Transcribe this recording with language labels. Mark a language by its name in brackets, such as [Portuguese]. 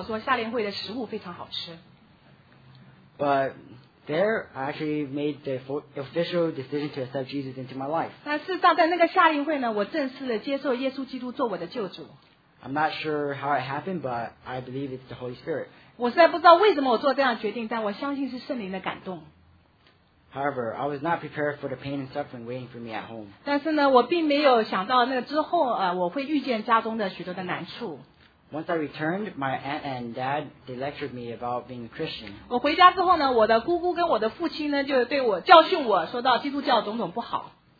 [Chinese] 事实上我并不期望在那里学到什么，因为我去是因为有人告诉我说夏令会的食物非常好吃。 [English] But there, I actually made the official decision to accept Jesus into my life. [Chinese] 事实上在那个夏令会呢，我正式的接受耶稣基督做我的救主。 [English] I'm not sure how it happened, but I believe it's the Holy Spirit. [Chinese] 我实在不知道为什么我做这样决定，但我相信是圣灵的感动。 [English] However, I was not prepared for the pain and suffering waiting for me at home. [Chinese] 但是呢，我并没有想到那之后，我会遇见家中的许多的难处。 [English] Once I returned, my aunt and dad, they lectured me about being a Christian. [Chinese] 我回家之后呢，我的姑姑跟我的父亲呢，就对我教训我说到基督教种种不好。